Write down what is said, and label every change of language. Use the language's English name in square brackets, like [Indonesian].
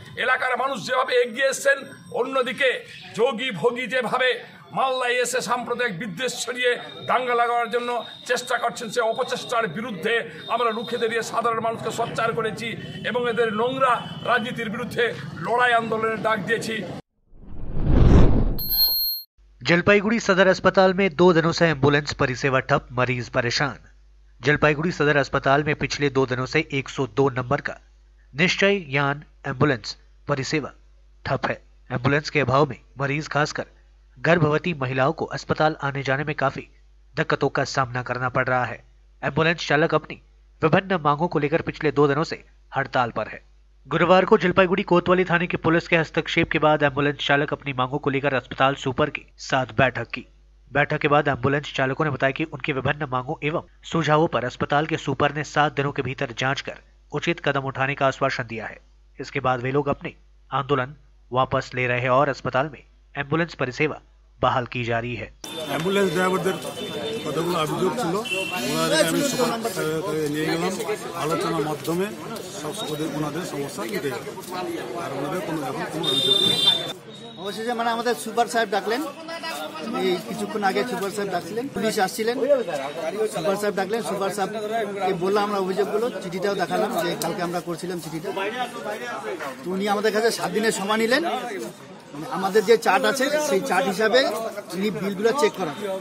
[Bangla] এলাকার মানুষ যেভাবে এগিয়ে এসছেন, অন্যদিকে যোগী ভোগী যেভাবে মাল্লায় এসে সাম্প্রদায়িক বিদ্বেষ ছড়িয়ে দাঙ্গা লাগানোর জন্য চেষ্টা করছেন, সে অপচেষ্টার বিরুদ্ধে আমরা রুখে দাঁড়িয়ে সাধারণ মানুষকে সোচ্চার করেছি এবং এদের নোংরা রাজনীতির বিরুদ্ধে লড়াই আন্দোলনের ডাক দিয়েছি। [Hindi] जलपाईगुड़ी सदर अस्पताल में दो दिनों से एम्बुलेंस परिसेवा ठप, मरीज परेशान। जलपाईगुड़ी सदर अस्पताल में पिछले दो दिनों से 102 नंबर का निश्चय यान एम्बुलेंस परिसेवा ठप है। एम्बुलेंस के अभाव में मरीज खासकर गर्भवती महिलाओं को अस्पताल आने जाने में काफी दिक्कतों का सामना करना पड़ रहा है। एम्बुलेंस चालक अपनी विभिन्न मांगों को लेकर पिछले दो दिनों से हड़ताल पर है। गुरुवार को जलपाईगुड़ी कोतवाली थाने की पुलिस के हस्तक्षेप के बाद एम्बुलेंस चालक अपनी मांगों को लेकर अस्पताल सुपर के साथ बैठक की। बैठक के बाद एम्बुलेंस चालकों ने बताया कि उनकी विभिन्न मांगों एवं सुझावों पर अस्पताल के सुपर ने 7 दिनों के भीतर जांच कर उचित कदम उठाने का आश्वासन दिया है। इसके बाद वे लोग अपने आंदोलन वापस ले रहे हैं और अस्पताल में एम्बुलेंस परिसेवा बहाल की जा रही है। [Bangla] एम्बुलेंस ড্রাইভারদের কতগুলো অভিযোগ ছিল ওনাদের আমি সুপার নিয়ে গেলাম, আলোচনার মাধ্যমে ওনাদের সমস্যা মিটে গেল আর ওনাদের কোনো এখন কোনো অভিযোগ নেই। অবশেষে মানে আমাদের সুপার সাহেব ডাকলেন, এই কিছুক্ষণ আগে সুপার সাহেব ডাকছিলেন, পুলিশ আসছিলেন, সুপার সাহেব ডাকলেন, সুপার সাহেবকে বললাম আমরা অভিযোগগুলো, চিঠিটাও দেখালাম যে কালকে আমরা করছিলাম চিঠিটা, তো উনি আমাদের কাছে 7 দিনের সময় নিলেন, আমাদের যে চার্ট আছে সেই চার্ট হিসাবে তিনি বিলগুলো চেক করান।